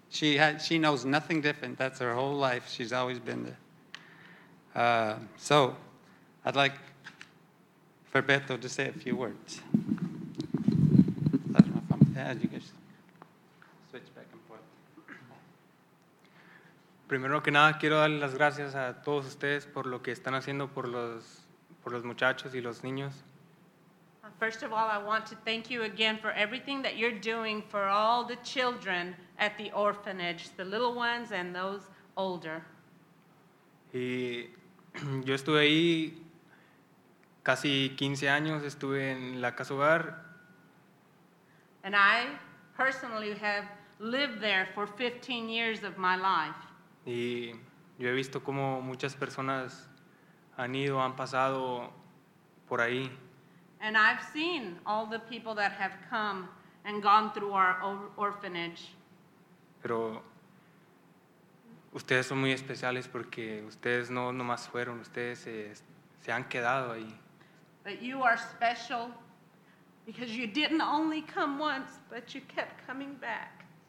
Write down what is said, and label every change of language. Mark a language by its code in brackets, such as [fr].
[en] She knows nothing different. That's her whole life. She's always been there. So I'd like for Beto to say a few words. I don't know if I'm bad. You can just switch back and forth. [es] Primero que nada, quiero dar las gracias a todos ustedes por lo que están haciendo por los muchachos y los niños. [en] First of all, I want to thank you again for everything that you're doing for all the children at the orphanage, the little ones and those older. [es] Y yo estuve ahí casi 15 años, estuve en la casa hogar. [en] And I personally have lived there for 15 years of my life. [es] Y yo he visto cómo muchas personas han ido, han pasado por ahí. [en] And I've seen all the people that have come and gone through our orphanage. [es] Pero Ustedes son muy especiales porque ustedes no nomás fueron, ustedes se han quedado ahí. [en] But you are special because you didn't only come once, but you kept coming back.